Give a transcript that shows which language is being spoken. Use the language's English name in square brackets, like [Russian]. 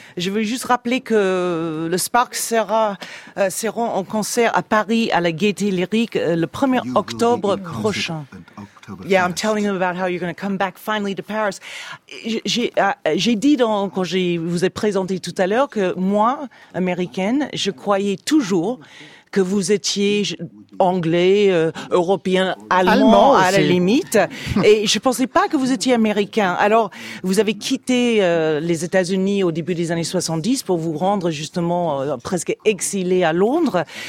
[French] Je veux juste rappeler que le Sparks seront en concert à Paris à la Gaîté Lyrique le 1er octobre prochain. [English] Yeah, I'm telling them about how you're going to come back finally to Paris. [French] J'ai dit quand je vous ai présenté tout à l'heure que moi, américaine, je croyais toujours que vous étiez anglais, européen, allemand à la limite. Et je pensais pas que vous étiez américain. Alors, vous avez quitté les États-Unis au début des années 70 pour vous rendre justement presque exilé à Londres.